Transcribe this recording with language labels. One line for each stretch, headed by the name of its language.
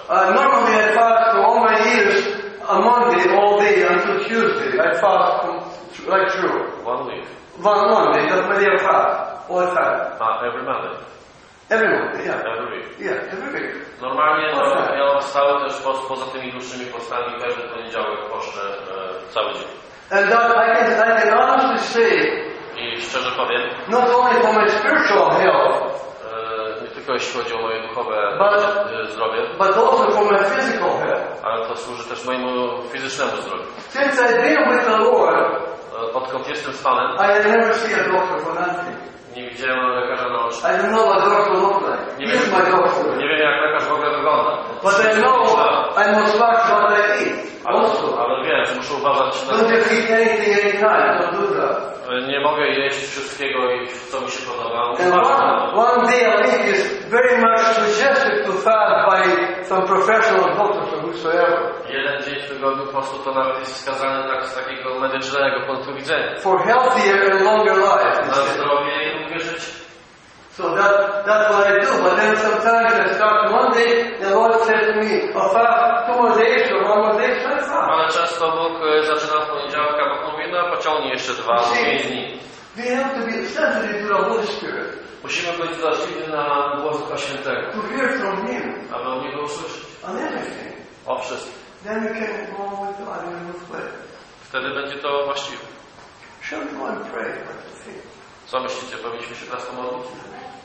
English: Normally I fast for all my years, a Monday, all day until Tuesday. I fast like true. One week. One Monday, that's my day of fast. All the time. Every Monday. Every Monday, yeah. Every week. Yeah, every week.
Polish: Normalnie ja stały też poza tymi dłuższymi postami, każdy poniedziałek poszczę cały dzień.
English: And that I can honestly say.
Polish: I szczerze powiem.
English: Not only for my spiritual health.
Polish: Tylko jeśli chodzi o moje duchowe zdrowie.
English: But also for my physical health.
Polish: Ale to służy też mojemu fizycznemu zdrowiu.
English: Since I've been with the Lord,
Polish: odkąd jestem z Panem,
English: I never see a doctor for nothing.
Polish: Nie widziałem lekarza na oczy.
English: I don't know what doctor looks like.
Polish: Nie wiem,
English: my doctor.
Polish: Nie wiem, jak lekarz w ogóle wygląda.
English: But I know I must watch what I eat. Also.
Polish: Ale wiem, że muszę uważać na...
English: Don't you eat anything any time. Don't do that.
Polish: Nie mogę jeść wszystkiego i co mi się podoba.
English: One day a week is very much suggested to fast by some professional doctors or whosoever.
Polish: Jeden dzień w tygodniu postu to nawet jest wskazane tak z takiego medycznego punktu widzenia.
English: For healthier and longer life.
Polish: Na zdrowie i długie życie.
English: So that's what I do. But then sometimes I start one day, the Lord says to me, oh, fast 2 more days or 1 more day, try fast.
Polish: Ale często Bóg zaczyna w poniedziałek, a Bóg mówi, no pociągnij jeszcze 2 dni.
English: We have to be sensitive to the Holy Spirit.
Polish: Musimy być wrażliwi na głos Ducha Świętego.
English: To hear from Him.
Polish: Aby o Niego usłyszeć.
English: On everything.
Polish: O wszystkim.
English: Then we can go on with God and move with it.
Polish: Wtedy będzie to właściwe.
English: Shall we go and pray at the feet?
Polish: Co myślicie? Powinniśmy się teraz pomodlić?